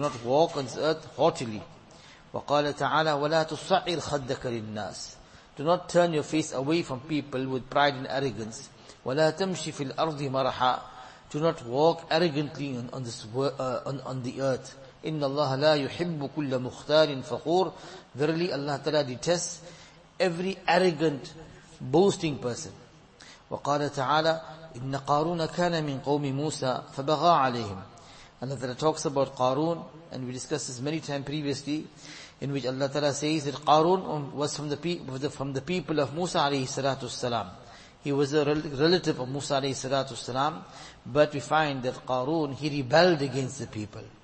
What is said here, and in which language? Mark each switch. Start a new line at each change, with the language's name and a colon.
English: Do not walk on this earth haughtily.
Arabic: وقال تعالى ولا تصعر خدك للناس
English: Do not turn your face away from people with pride and arrogance.
Arabic: ولا تمشي في الأرض مرحا
English: Do not walk arrogantly on the earth.
Arabic: إن الله لا يحب كل مختار فخور
English: Verily Allah Ta'ala detests every arrogant boasting person.
Arabic: وقال تعالى إن قارون كان من قوم موسى فبغى عليهم.
English: Allah Ta'ala talks about Qarun, and we discussed this many times previously, in which Allah Ta'ala says that Qarun was from the people of Musa alayhi salatu salam. He was a relative of Musa alayhi salatu salam, but we find that Qarun, he rebelled against the people.